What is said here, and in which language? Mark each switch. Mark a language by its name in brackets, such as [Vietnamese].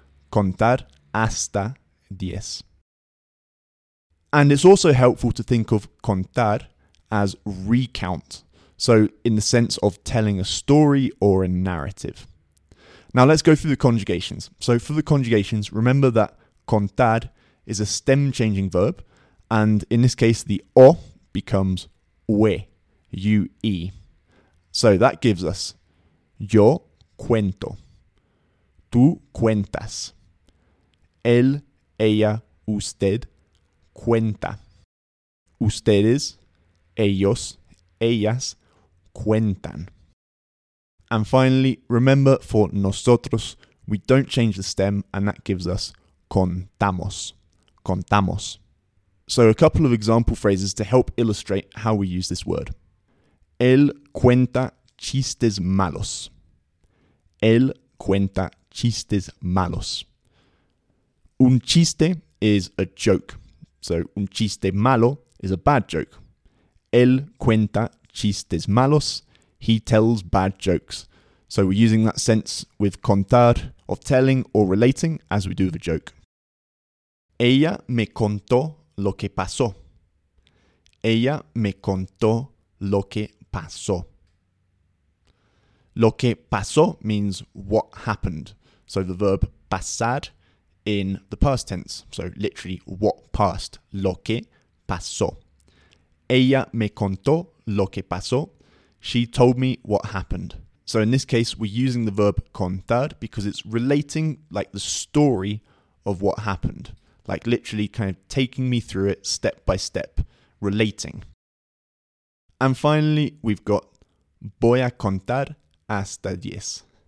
[Spanish] Contar hasta 10. [English] And it's also helpful to think of contar as recount, so in the sense of telling a story or a narrative. Now let's go through the conjugations. So for the conjugations, remember that contar is a stem-changing verb, and in this case the o becomes ue, u-e. So that gives us [Spanish] yo cuento, tú cuentas, él, ella, usted, cuenta, ustedes, ellos, ellas, cuentan. [English] And finally, remember for nosotros, we don't change the stem, and that gives us contamos, contamos. So a couple of example phrases to help illustrate how we use this word. [Spanish] Él cuenta chistes malos. Él cuenta chistes malos. Un chiste [English] is a joke. So [Spanish] un chiste malo [English] is a bad joke. [Spanish] Él cuenta chistes malos. [English] He tells bad jokes. So we're using that sense with contar of telling or relating as we do with a joke. [Spanish] Ella me contó lo que pasó. Ella me contó lo que pasó. Lo que pasó [English] means what happened. So the verb pasar in the past tense. So literally what passed. [Spanish] Lo que pasó. Ella me contó lo que pasó. [English] She told me what happened. So in this case, we're using the verb contar because it's relating like the story of what happened. Like literally kind of taking me through it step by step, relating. And finally, we've got [Spanish] voy a contar hasta 10.